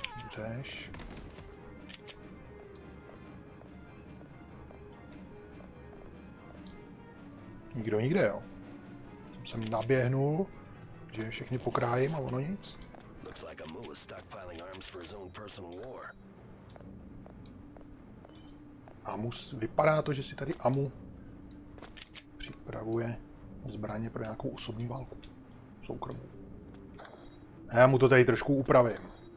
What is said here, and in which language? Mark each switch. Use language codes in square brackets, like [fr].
[cs] Dřeš. Nikdo nikde, jo. Jsem naběhnul. že je všechny pokrájím a ono nic. [en] Looks like a mule stockpiling arms for his own personal war. [cs] Amus, vypadá to, že si tady Amu připravuje zbraně pro nějakou osobní válku. Soukromou. A já mu to tady trošku upravím.